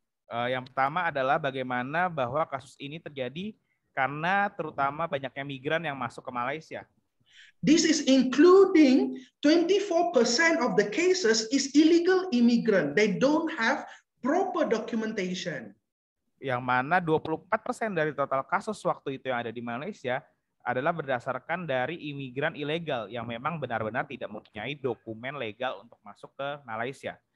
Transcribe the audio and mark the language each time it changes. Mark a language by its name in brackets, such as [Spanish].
[Indonesian] Yang pertama adalah bagaimana bahwa kasus ini terjadi karena terutama banyaknya migran yang masuk ke Malaysia. [English] This is including 24% of the cases is illegal immigrant. They don't have proper documentation. [Indonesian] Yang mana 24% dari total kasus waktu itu yang ada di Malaysia adalah berdasarkan dari imigran ilegal yang memang benar-benar tidak mempunyai dokumen legal untuk masuk ke Malaysia.